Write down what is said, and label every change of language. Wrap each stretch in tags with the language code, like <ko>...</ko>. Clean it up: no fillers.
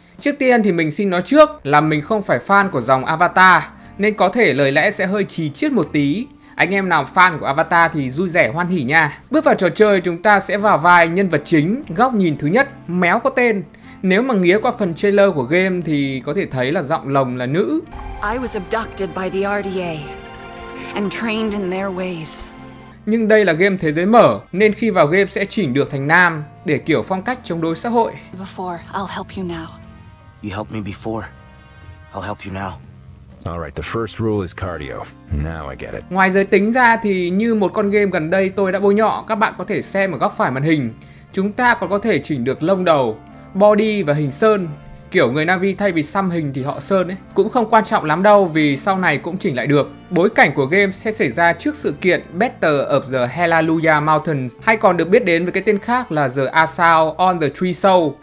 <vi>Trước tiên thì mình xin nói trước là mình không phải fan của dòng Avatar, nên có thể lời lẽ sẽ hơi chì chiết một tí. Anh em nào fan của Avatar thì vui vẻ hoan hỉ nha. Bước vào trò chơi, chúng ta sẽ vào vai nhân vật chính, góc nhìn thứ nhất, méo có tên. Nếu mà nghía qua phần trailer của game thì có thể thấy là giọng lồng là nữ.</vi> <en>I was abducted by the RDA and trained in their ways.</en> <vi>Nhưng đây là game thế giới mở, nên khi vào game sẽ chỉnh được thành nam để kiểu phong cách chống đối xã hội.</vi> <en>Before, I'll help you now. You helped me before. I'll help you now. All right, the first rule is cardio. Now I get it.</en> <vi>Ngoài giới tính ra thì như một con game gần đây tôi đã bôi nhọ, các bạn có thể xem ở góc phải màn hình. Chúng ta còn có thể chỉnh được lông đầu, body và hình sơn. Kiểu người Na'vi thay vì xăm hình thì họ sơn ấy. Cũng không quan trọng lắm đâu vì sau này cũng chỉnh lại được. Bối cảnh của game sẽ xảy ra trước sự kiện Battle of the Hallelujah Mountains, hay còn được biết đến với cái tên khác là The Assault on the Three Souls.</vi>